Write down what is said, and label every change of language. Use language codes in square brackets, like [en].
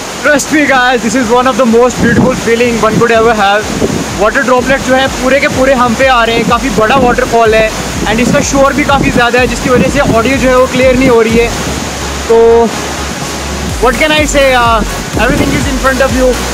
[en] Trust me guys, this is one of the most beautiful feeling one could ever have. [hi] Water droplets जो है पूरे के पूरे हम पे आ रहे हैं. काफ़ी बड़ा waterfall है and इसका शोर भी काफ़ी ज़्यादा है, जिसकी वजह से audio जो है वो clear नहीं हो रही है. तो [en] what can I say, everything is in front of you.